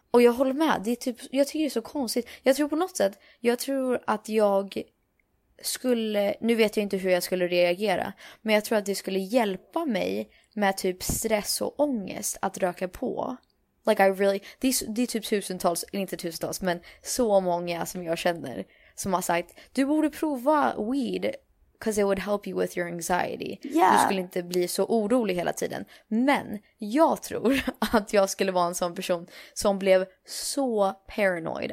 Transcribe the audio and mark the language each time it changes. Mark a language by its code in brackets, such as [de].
[sv] Och jag håller med, det är typ, jag tycker det är så konstigt. Jag tror på något sätt, jag tror att jag skulle, nu vet jag inte hur jag skulle reagera, men jag tror att det skulle hjälpa mig med typ stress och ångest att röka på. [en] Like I really, [sv] det är typ tusentals, inte tusentals, men så många som jag känner som har sagt, du borde prova weed. [en] Because it would help you with your anxiety. Yeah. [sv] Du skulle inte bli så orolig hela tiden. Men jag tror att jag skulle vara en sån person som blev så paranoid.